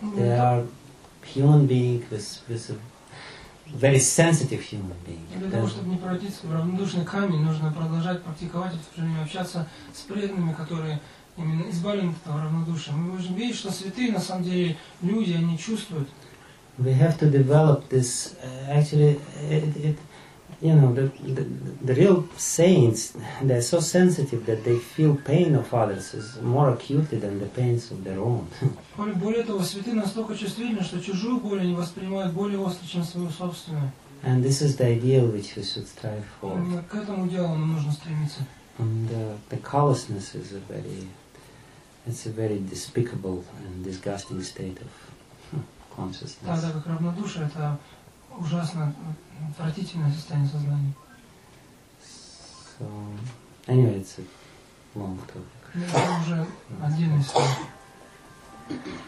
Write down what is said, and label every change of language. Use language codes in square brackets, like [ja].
[en] They are human beings with a very sensitive human being. [ru] Для того, чтобы не превратиться в равнодушный камень, нужно продолжать практиковать, в то же время общаться с преданными, которые именно избавлены от этого равнодушия. Мы можем видеть, что святые на самом деле люди, они чувствуют. [en] We have to develop this. Actually, it you know, the real saints, they're so sensitive that they feel pain of others is more acutely than the pains of their own. [ru] Более того, святые настолько чувствительны, что чужую боль они воспринимают более остро, чем свою собственную. [en] And this is the ideal which we should strive for. [ru] К этому идеалу нам нужно стремиться. [en] And the callousness is a very, it's a very despicable and disgusting state of consciousness. [ru] Да, как равнодушие, это ужасно отвратительное состояние сознания. [en] So, anyway, it's a long topic. [ru] Это уже отдельный случай.